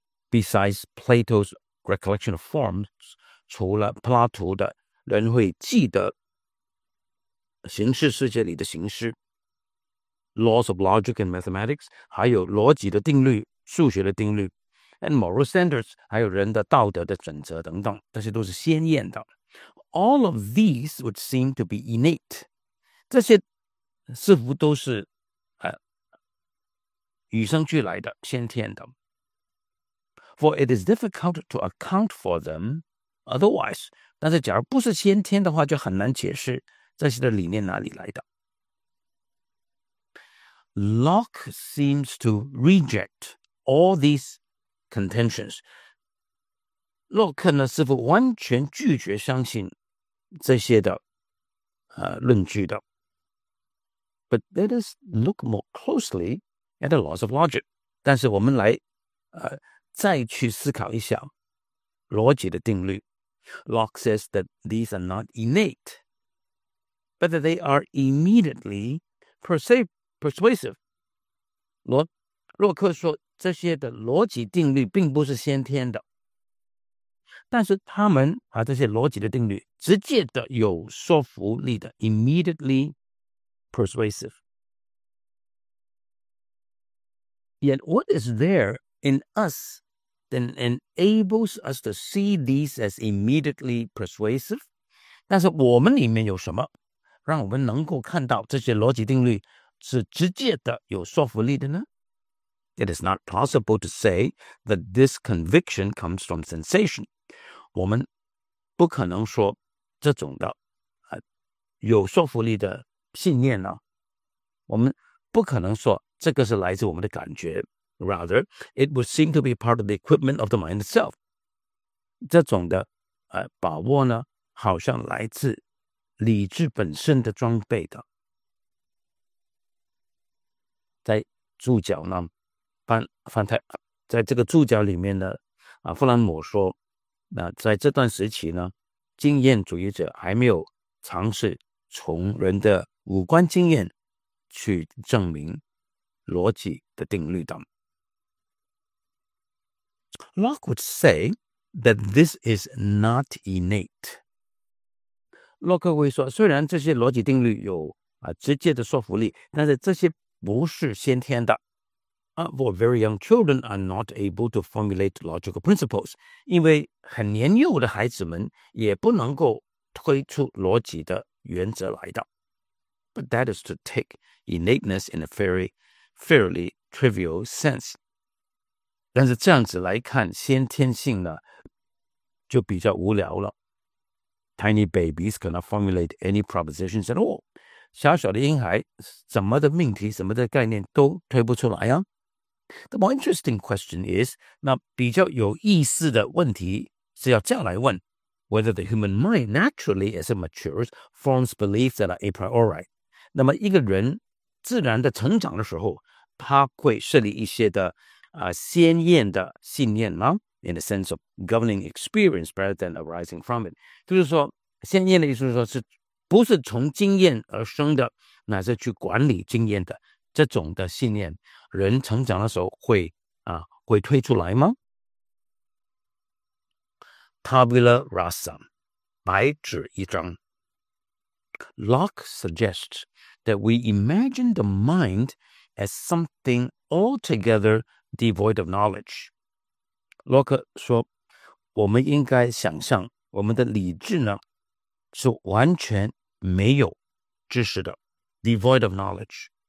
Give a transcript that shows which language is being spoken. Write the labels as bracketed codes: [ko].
[en] Besides Plato's recollection of forms, [zh] 除了柏拉图的人会记得形式世界里的形式 [en] laws of logic and mathematics, [zh] 还有逻辑的定律、数学的定律。 [en] And moral standards, [zh] 还有人的道德的准则等等，这些都是先验的。 [en] All of these would seem to be innate. [zh] 这些似乎都是与生俱来的，先天的。 [en] For it is difficult to account for them otherwise. [zh] 但是假如不是先天的话，就很难解释这些的理念哪里来的。 [en] Locke seems to reject all these. Contentions. [zh] 洛克呢，似乎完全拒绝相信这些的论据的。 [en] But let us look more closely at the laws of logic. [zh] 但是我们来再去思考一下逻辑的定律。 [en] Locke says that these are not innate, but that they are immediately persuasive. [zh] 洛克说这些的逻辑定律并不是先天的，但是他们这些逻辑的定律直接的有说服力的 [en] immediately persuasive. Yet what is there in us that enables us to see these as immediately persuasive? [zh] 但是我们里面有什么让我们能够看到这些逻辑定律是直接的有说服力的呢？ [en] It is not possible to say that this conviction comes from sensation. [zh] 我们不可能说这种的有说服力的信念呢。我们不可能说这个是来自我们的感觉。 [en] Rather, it would seem to be part of the equipment of the mind itself. [zh] 这种的把握呢，好像来自理智本身的装备的。在注脚呢在这个注脚里面呢弗兰姆说在这段时期呢经验主义者还没有尝试从人的五官经验去证明逻辑的定律等。 [en] Locke would say that this is not innate. [zh] 洛克会说虽然这些逻辑定律有直接的说服力，但是这些不是先天的。 [en] For very young children are not able to formulate logical principles, [zh] 因为很年幼的孩子们也不能够推出逻辑的原则来的。 [en] But that is to take innateness in a fairly trivial sense. [zh] 但是这样子来看，先天性呢，就比较无聊了。 [en] Tiny babies cannot formulate any propositions at all. [zh] 小小的婴孩，什么的命题，什么的概念都推不出来啊。 [en] The more interesting question is, [zh] 那比较有意思的问题是要这样来问 [en] whether the human mind naturally, as it matures, forms beliefs that are a priori. [zh] 那么一个人自然的成长的时候他会设立一些的、鲜艳的信念吗 [en] in the sense of governing experience rather than arising from it. [zh] 就是说鲜艳的意思是说是不是从经验而生的乃是去管理经验的这种的信念人成长的时候会、会推出来吗 [en] Tabula rasa [zh] 白纸一张 [en] Locke suggests that we imagine the mind as something altogether devoid of knowledge Locke [zh] 说我们应该想象我们的理智呢是完全没有知识的 [en] devoid of knowledge